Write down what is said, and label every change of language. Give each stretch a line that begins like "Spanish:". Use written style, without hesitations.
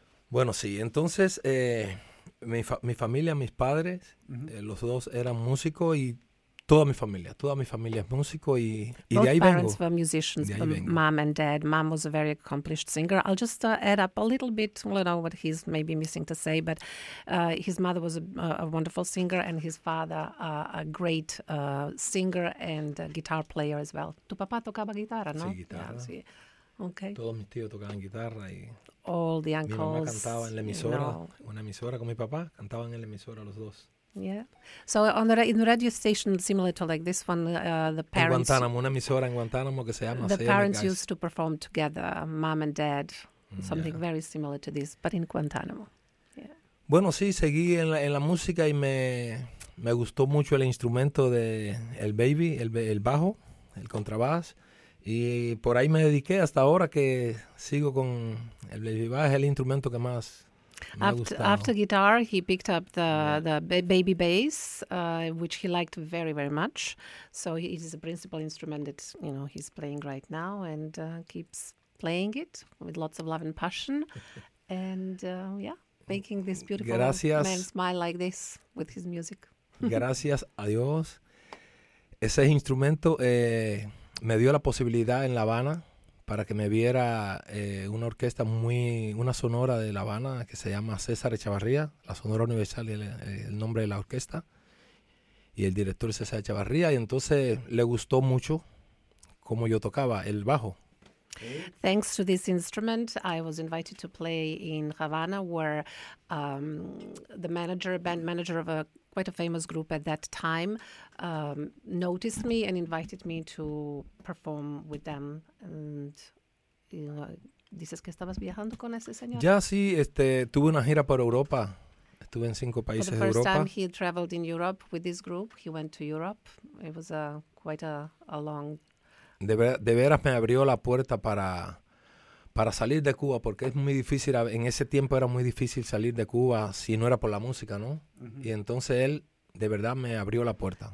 Spanish: Bueno, sí, entonces mi familia, mis padres, uh-huh. Los dos eran músicos y toda mi familia es músico y, de ahí vengo.
English: Both parents were musicians, mom and dad. Mom was a very accomplished singer. I'll just add up a little bit, you know, what he's maybe missing to say, but his mother was a wonderful singer and his father a great singer and a guitar player as well.
Spanish: Tu papá tocaba guitarra, ¿no? Sí, guitarra. Yeah, sí.
English: Okay.
Spanish: Todos mis tíos tocaban guitarra y
English: all the uncles,
Spanish: mi mamá cantaba en la emisora,
English: you know.
Spanish: Una emisora con mi papá, cantaban en la emisora los dos.
English: Yeah. So on the in the radio station similar to like this one, the parents
Spanish: en Guantánamo, una emisora en Guantánamo que se llama
English: The parents used to perform together, mom and dad, something yeah. very similar to this, but in Guantánamo. Yeah.
Spanish: Bueno, sí, seguí en la música y me gustó mucho el instrumento de el baby, el bajo, el contrabás. Y por ahí me dediqué hasta ahora que sigo con el baby bass, el instrumento que más
English: After guitar, he picked up the baby bass, which he liked very, very much. So it is a principal instrument that, you know, he's playing right now and keeps playing it with lots of love and passion. And, yeah, making this beautiful
Spanish: Gracias.
English: Man smile like this with his music.
Spanish: Gracias a Dios. Ese instrumento me dio la posibilidad en La Habana para que me viera una orquesta una sonora de La Habana que se llama César Echavarría, la Sonora Universal y el nombre de la orquesta, y el director César Echavarría, y entonces le gustó mucho cómo yo tocaba el bajo.
English: Thanks to this instrument, I was invited to play in Havana, where the manager, band manager of quite a famous group at that time, noticed me and invited me to perform with them.
Spanish: And dices que estabas viajando con ese señor. Ya sí, tuve una gira por Europa. Estuve en cinco países de Europa.
English: For the first time, he traveled in Europe with this group. He went to Europe. It was quite a long.
Spanish: De veras me abrió la puerta para salir de Cuba, porque es muy difícil, en ese tiempo era muy difícil salir de Cuba si no era por la música, ¿no? Uh-huh. Y entonces él de verdad me abrió la puerta.